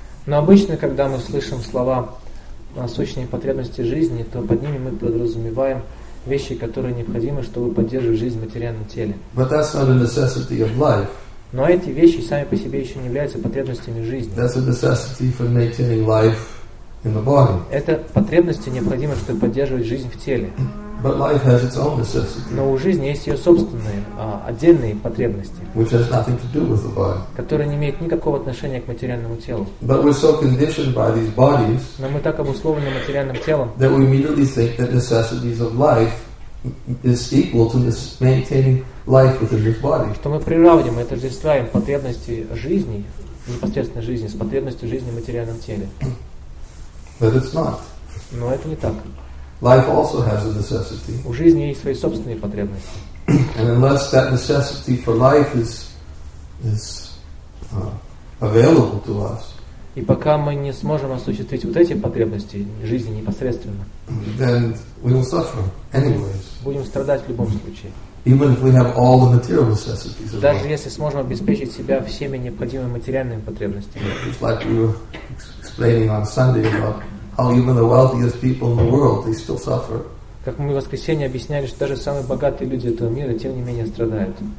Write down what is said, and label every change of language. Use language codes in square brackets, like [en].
[ru] Но обычно, когда мы слышим слова «насущные потребности жизни», то под ними мы подразумеваем вещи, которые необходимы, чтобы поддерживать жизнь в материальном теле. [en] But that's not a necessity of life. [ru] Но эти вещи сами по себе еще не являются потребностями жизни. [en] That's a necessity for maintaining life in the body. [ru] Это потребности необходимы, чтобы поддерживать жизнь в теле. [en] But life has its own necessities. [ru] Но у жизни есть ее собственные, отдельные потребности, [en] which has nothing to do with the body. [ru] Которые не имеют никакого отношения к материальному телу. [en] But we're so conditioned by these bodies. [ru] Но мы так обусловлены материальным телом. [en] That we immediately think that necessities of life is equal to maintaining life within this body. [ru] Что мы приравниваем, это же ставим потребности жизни, непосредственной жизни, с потребностью жизни в материальном теле. [en] But it's not. [ru] Но это не так. [en] Life also has a necessity. [ru] У жизни есть свои собственные потребности. [en] And unless that necessity for life is available to us. [ru] И пока мы не сможем осуществить вот эти потребности жизни непосредственно, [en] then we will suffer anyways. [ru] Будем страдать в любом случае. [en] Even if we have all the material necessities. [ru] Даже если сможем обеспечить себя всеми необходимыми материальными потребностями. [en] It's like you were explaining on Sunday about how even the wealthiest people in the world they still suffer. [ru] Как мы в воскресенье объясняли, что даже самые богатые люди этого мира тем не менее страдают.